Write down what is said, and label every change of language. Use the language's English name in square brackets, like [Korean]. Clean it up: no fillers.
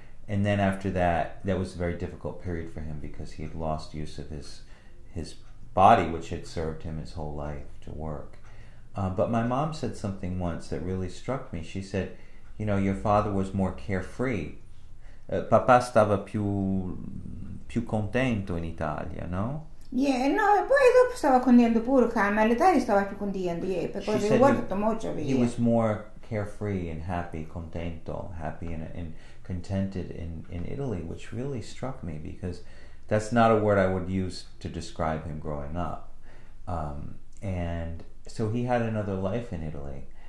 [English] And then after that, that was a very difficult period for him because he had lost use of his body, which had served him his whole life to work. But my mom said something once that really struck me. She said, you know, your father was more carefree. [Italian] Papà stava più contento in Italia, no? [English] Yeah, no, [Italian] e poi dopo stava contento pure qua, ma l'Italia stava più contento, perché [English] he worked [Italian] molto bene. [English] He was more carefree and happy, [Italian] contento, [English] happy and contented in Italy, which really struck me because that's not a word I would use to describe him growing up. And so he had another life in Italy.